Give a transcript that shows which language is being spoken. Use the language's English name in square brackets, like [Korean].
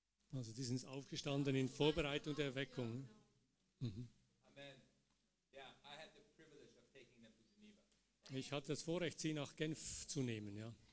[German] Also die sind aufgestanden in Vorbereitung der Erweckung. Amen. [English] Yeah, I had the privilege of taking them to Geneva. [German] Ich hatte das Vorrecht, sie nach Genf zu nehmen, ja.